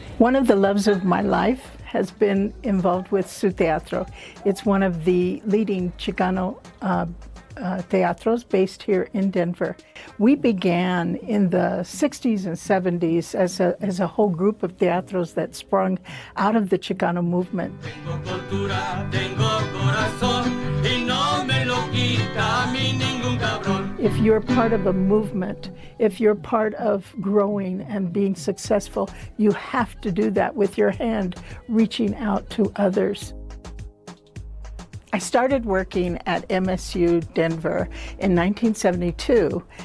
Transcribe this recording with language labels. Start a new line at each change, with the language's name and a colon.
English: One of the loves of my life has been involved with Su Teatro. It's one of the leading Chicano teatros based here in Denver. We began in the 60s and 70s as a whole group of teatros that sprung out of the Chicano movement.
Spanish: Tengo cultura, tengo corazón, y no me lo quita mi ningún cabrón.
English: If you're part of a movement, if you're part of growing and being successful, you have to do that with your hand reaching out to others. I started working at MSU Denver in 1972.